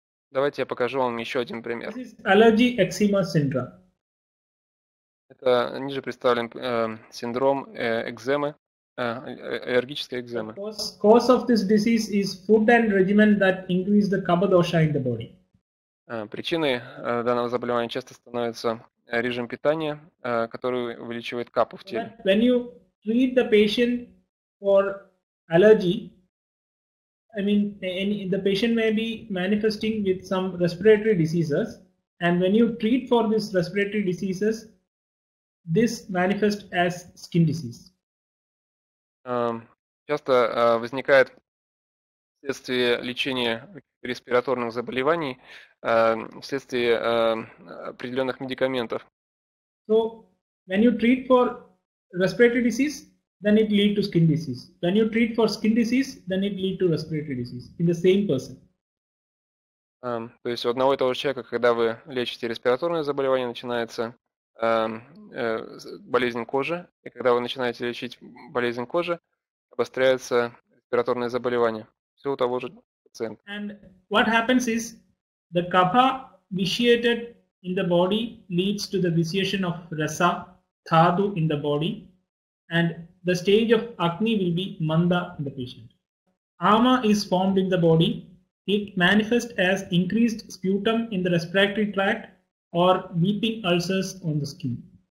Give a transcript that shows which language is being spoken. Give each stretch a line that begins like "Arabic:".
Russian: Давайте я покажу вам еще один пример.
English: This is allergy eczema syndrome.
Russian: Это ниже представлен синдром экземы, аллергической экземы.
English: Cause of this disease is food and regimen that increase the kapha dosha in the body.
Russian: Причиной данного заболевания часто становится режим питания, который увеличивает капу в теле.
English: When you treat the patient for allergy, I mean, the patient may be manifesting with some respiratory diseases, and when you treat for these respiratory diseases, this manifests as skin disease.
Russian: Часто возникает вследствие лечения респираторных заболеваний, вследствие определенных медикаментов.
English: So, when you treat for respiratory disease, then it lead to skin disease. When you treat for skin disease, then it lead to respiratory disease in the same person.
Russian: То есть у одного и того же человека, когда вы лечите респираторное заболевание, начинается болезнь кожи, и когда вы начинаете лечить болезнь кожи, обостряется респираторное заболевание. Все у того же пациента.
English: And what happens is the kapha vitiated in the body leads to the vitiation of rasa thadu in the body, and the stage of akni will be manda in the patient. Ama is formed in the body. It manifests as increased sputum in the respiratory tract or weeping ulcers on the skin.